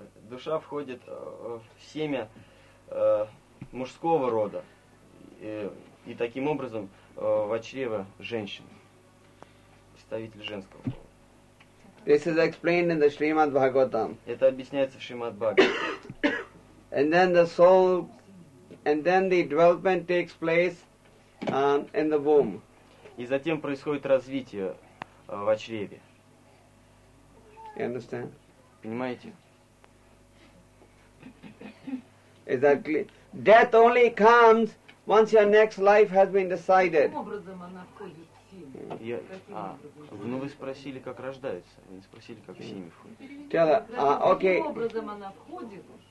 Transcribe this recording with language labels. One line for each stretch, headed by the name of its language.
Russian: Душа входит в семя мужского рода и таким образом в чрево женщины, представитель женского пола.
English: This is explained in the Shrimad Bhagavatam.
Russian: Это объясняется в Шримад Бхагаватам.
English: And then the soul, and then the development takes place in the womb.
Russian: И затем происходит развитие в чреве.
English: You understand?
Russian: Понимаете?
English: Is that clear? Death only comes once your next life has been decided.
Russian: Ну вы спросили, как рождается. Вы не спросили, как в семье входит.
English: Okay.
Russian: Каким образом она входит?